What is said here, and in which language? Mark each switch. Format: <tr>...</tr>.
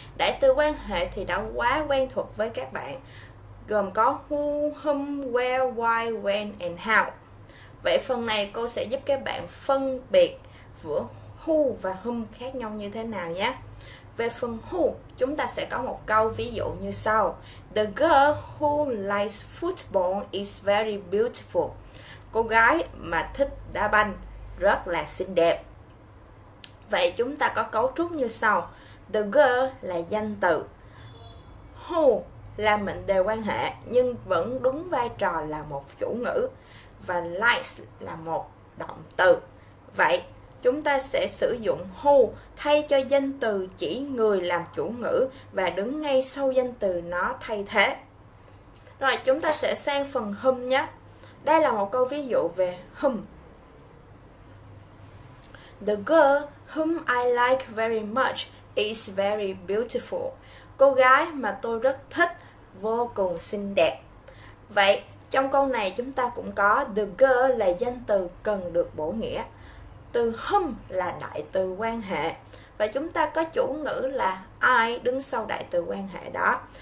<vi>Đại từ quan hệ thì đã quá quen thuộc với các bạn, gồm có who, whom, where, why, when and how. Vậy phần này cô sẽ giúp các bạn phân biệt giữa who và whom khác nhau như thế nào nhé. Về phần who, chúng ta sẽ có một câu ví dụ như sau.</vi> <en>The girl who likes football is very beautiful.</en> <vi>Cô gái mà thích đá banh rất là xinh đẹp. Vậy chúng ta có cấu trúc như sau. The girl là danh từ. Who là mệnh đề quan hệ nhưng vẫn đúng vai trò là một chủ ngữ và likes là một động từ. Vậy chúng ta sẽ sử dụng who thay cho danh từ chỉ người làm chủ ngữ và đứng ngay sau danh từ nó thay thế. Rồi chúng ta sẽ sang phần whom nhé. Đây là một câu ví dụ về whom.</vi> <en>The girl whom I like very much is very beautiful.</en> <vi>Cô gái mà tôi rất thích vô cùng xinh đẹp. Vậy trong câu này chúng ta cũng có the girl là danh từ cần được bổ nghĩa. Từ whom là đại từ quan hệ và chúng ta có chủ ngữ là I đứng sau đại từ quan hệ đó.</vi>